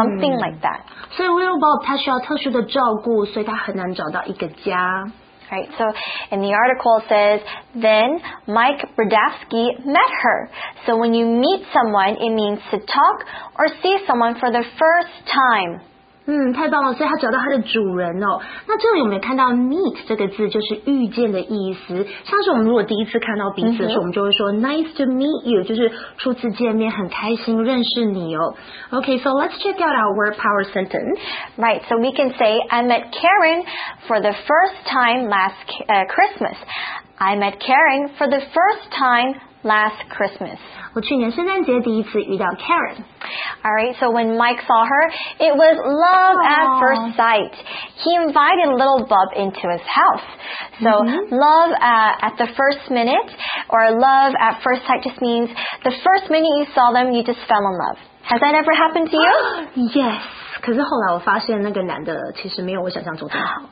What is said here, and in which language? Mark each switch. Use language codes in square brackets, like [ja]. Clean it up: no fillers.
[en] something like that. [zh] So little bub, 他需要特殊的照顾，所以他很难找到一个家。 [en] Right, so in the article it says, then Mike Brodowski met her. So when you meet someone, it means to talk or see someone for the first time. [zh] 嗯，太棒了，所以他找到他的主人哦。那这里我们看到 meet 这个字就是遇见的意思。像是我们如果第一次看到彼此的时候，我们就会说 [en] nice to meet you, [zh] 就是初次见面，很开心认识你哦。 [en] Okay, so let's check out our word power sentence. Right, so we can say, I met Karen for the first time last Christmas. I met Karen for the first time last Christmas. [zh] 我去年圣诞节第一次遇到 Karen. [en] Alright, so when Mike saw her, it was love、Aww. At first sight. He invited little bub into his house. So、mm-hmm. love at the first minute, or love at first sight just means the first minute you saw them, you just fell in love. Has that ever happened to you? Yes. [zh] 可是后来我发现那个男的其实没有我想象中的好、